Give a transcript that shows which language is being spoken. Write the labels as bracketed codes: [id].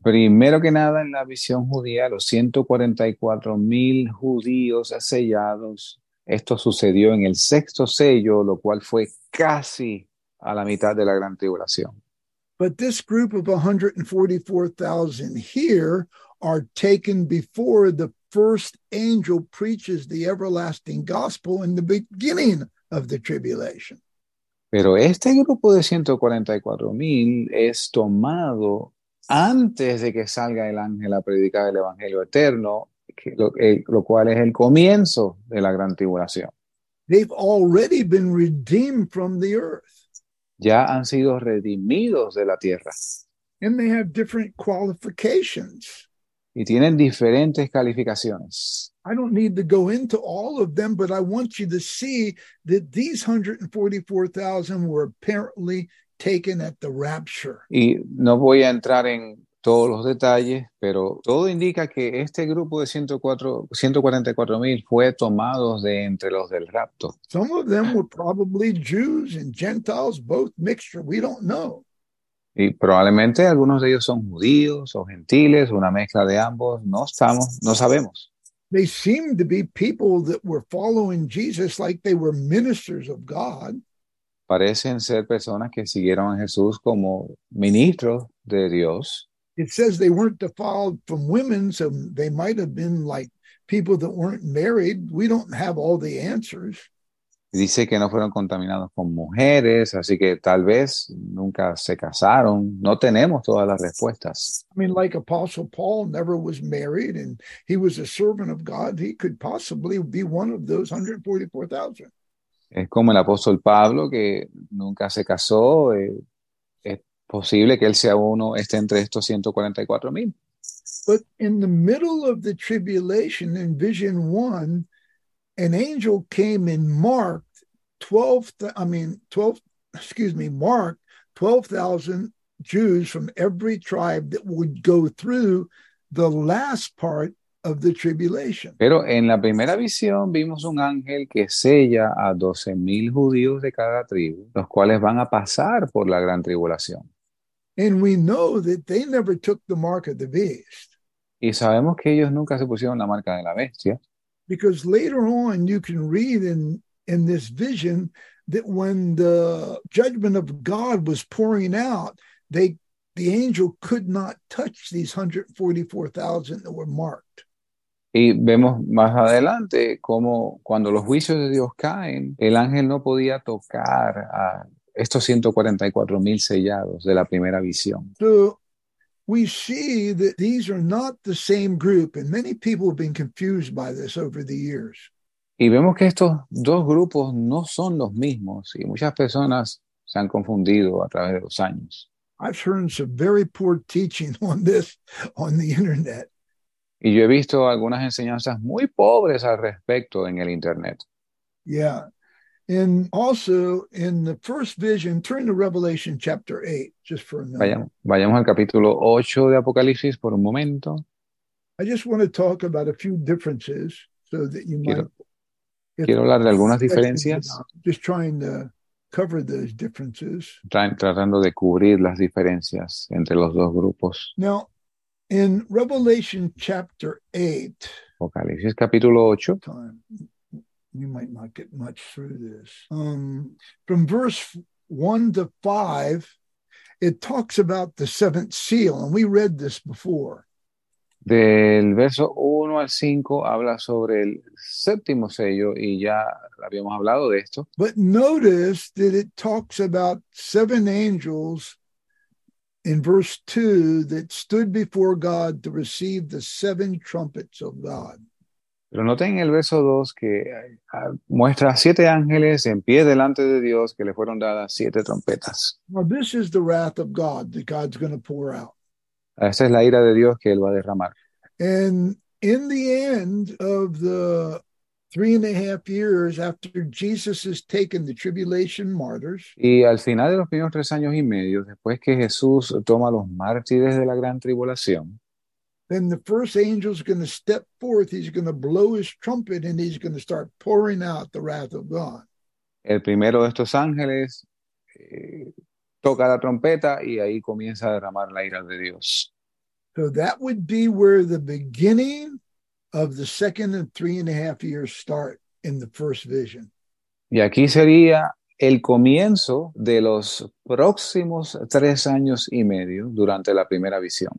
[es] Primero que nada, en la visión judía, los 144,000 judíos sellados, esto sucedió en el sexto sello, lo cual fue casi a la mitad de la gran tribulación. [en] But this group of 144,000 here are taken before the first angel preaches the everlasting gospel in the beginning of the tribulation. [es] Pero este grupo de 144,000 es tomado antes de que salga el ángel a predicar el evangelio eterno, lo cual es el comienzo de la gran tribulación. [en] They've already been redeemed from the earth. [es] Ya han sido redimidos de la tierra. [en] And they have different qualifications. [es] Y tienen diferentes calificaciones. [en] I don't need to go into all of them, but I want you to see that these 144,000 were apparently taken at the rapture. [es] Y no voy a entrar en todos los detalles, pero todo indica que este grupo de 144,000 fue tomado de entre los del rapto. [en] Some of them were probably Jews and Gentiles, both mixture. We don't know. [es] Y probablemente algunos de ellos son judíos o gentiles, una mezcla de ambos. No sabemos. [en] They seem to be people that were following Jesus like they were ministers of God. [es] Parecen ser personas que siguieron a Jesús como ministros de Dios. [en] It says they weren't defiled from women, so they might have been like people that weren't married. We don't have all the answers. [es] Dice que no fueron contaminados con mujeres, así que tal vez nunca se casaron. No tenemos todas las respuestas. [en] I mean, like Apostle Paul never was married and he was a servant of God. He could possibly be one of those 144,000. [es] Es como el apóstol Pablo que nunca se casó. Es posible que él sea uno, esté entre estos 144,000. [en] But in the middle of the tribulation in Vision 1, an angel came and marked 12,000 Jews from every tribe that would go through the last part of the tribulation. [es] Pero en la primera visión vimos un ángel que sella a 12,000 judíos de cada tribu, los cuales van a pasar por la gran tribulación. [en] And we know that they never took the mark of the beast. [es] Y sabemos que ellos nunca se pusieron la marca de la bestia. [en] Because later on you can read in this vision that when the judgment of God was pouring out, the angel could not touch these 144,000 that were marked. [es] Y vemos más adelante cómo cuando los juicios de Dios caen, el ángel no podía tocar a estos 144,000 sellados de la primera visión. [en] So, we see that these are not the same group, and many people have been confused by this over the years. [es] Y vemos que estos dos grupos no son los mismos, y muchas personas se han confundido a través de los años. [en] I've heard some very poor teaching on this on the internet. [es] Y yo he visto algunas enseñanzas muy pobres al respecto en el internet. [en] Yeah. And also, in the first vision, turn to Revelation chapter 8, just for a minute. [es] Vayamos al capítulo 8 de Apocalipsis por un momento. [en] I just want to talk about a few differences so that you [es] quiero, [en] might... [es] Quiero hablar de algunas diferencias. [en] Just trying to cover those differences. [es] Tratando de cubrir las diferencias entre los dos grupos. [en] Now, in Revelation chapter 8... [es] Apocalipsis capítulo 8... [en] Time. We might not get much through this. From verse 1 to 5, it talks about the seventh seal, and we read this before. [es] Del verso 1 al 5 habla sobre el séptimo sello, y ya habíamos hablado de esto. [en] But notice that it talks about seven angels in verse 2 that stood before God to receive the seven trumpets of God. [es] Pero noten en el verso 2 que muestra siete ángeles en pie delante de Dios que le fueron dadas siete trompetas. [en] Well, this is the wrath of God that God's going to pour out. [es] Esa es la ira de Dios que él va a derramar. [en] And in the end of the 3.5 years after Jesus has taken the tribulation martyrs. [es] Y al final de los primeros 3 años y medio, después que Jesús toma los mártires de la gran tribulación. [en] Then the first angel is going to step forth. He's going to blow his trumpet and he's going to start pouring out the wrath of God. [es] El primero de estos ángeles toca la trompeta y ahí comienza a derramar la ira de Dios. [en] So that would be where the beginning of the second and 3.5 years start in the first vision. [es] Y aquí sería el comienzo de los próximos 3 años y medio durante la primera visión.